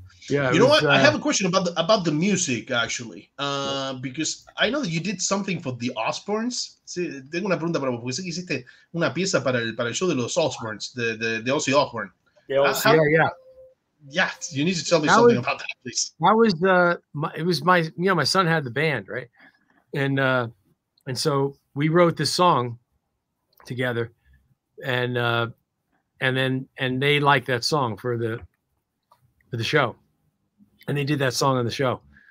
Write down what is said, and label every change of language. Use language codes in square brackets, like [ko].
[en] Yeah. You know what? I have a question about the music, actually. Because I know that you did something for the Osbournes. [es] Sí, tengo una pregunta para vos. Porque sé que hiciste una pieza para el show de los Osbournes, de Ozzy Osbourne. [en] Yeah, you need to tell me something about that, please. That was my son had the band, right? And so we wrote this song together, and then they liked that song for the show, and they did that song on the show.